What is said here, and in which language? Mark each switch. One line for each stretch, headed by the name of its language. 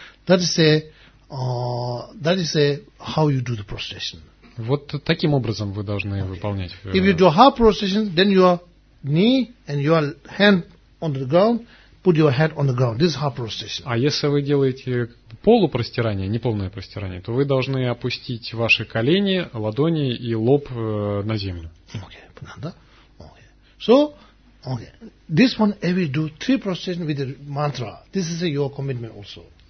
English: That is a that is how you do the prostration.
Russian: Вот таким образом вы должны выполнять.
English: If you do half prostration, then your knee and your hand on the ground, put your head on the ground. This is half prostration.
Russian: А если вы делаете полупростирание, неполное простирание, то вы должны опустить ваши колени, ладони и лоб на землю.
English: Okay, понятно? Okay. So, okay. This one, if you do three prostration with the mantra, this is your commitment also.